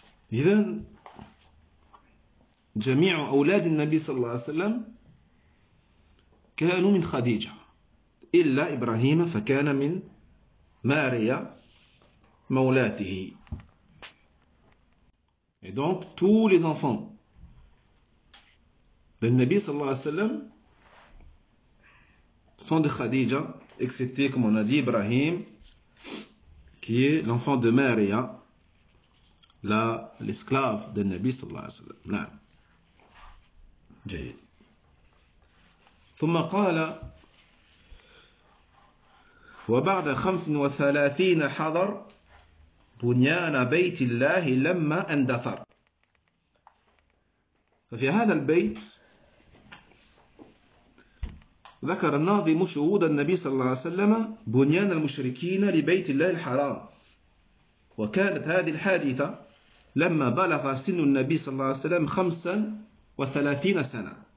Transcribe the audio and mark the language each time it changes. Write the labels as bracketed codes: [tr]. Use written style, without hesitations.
[ar] Idan, جميع أولاد النبي صلى الله عليه وسلم كانوا من خديجة إلا إبراهيم فكان من ماريا مولاته. [fr] Et donc tous les enfants du Nabi صلى الله عليه وسلم sont de Khadija, excepté comme on a dit Ibrahim, qui est l'enfant de Maria, l'esclave du Nabi صلى الله عليه وسلم. [ar] جيد. ثم قال وبعد 35 حضر بنيان بيت الله لما اندثر. ففي هذا البيت ذكر الناظم شهود النبي صلى الله عليه وسلم بنيان المشركين لبيت الله الحرام، وكانت هذه الحادثة لما بلغ سن النبي صلى الله عليه وسلم 35 سنة.